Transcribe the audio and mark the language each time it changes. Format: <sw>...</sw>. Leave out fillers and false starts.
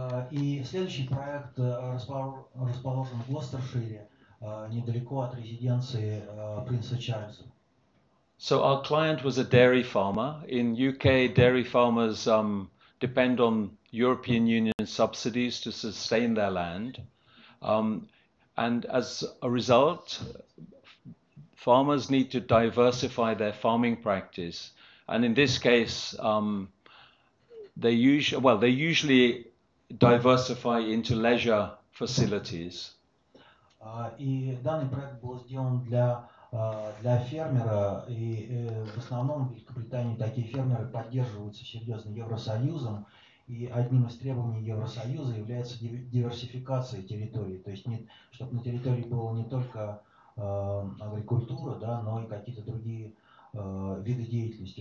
<ru>И следующий проект расположен в Гостершире, недалеко от резиденции принца Чарльза.</ru> <en>So our client was a dairy farmer. In UK, dairy farmers depend on European Union subsidies to sustain their land. And as a result, farmers need to diversify their farming practice. And in this case, they usually diversify into leisure facilities.</en> <ru>И данный проект был сделан для фермера, и в основном в Великобритании такие фермеры поддерживаются серьезно Евросоюзом, и одним из требований Евросоюза является диверсификация территории, то есть чтобы на территории было не только агрокультура, да, но и какие-то другие виды деятельности.</ru>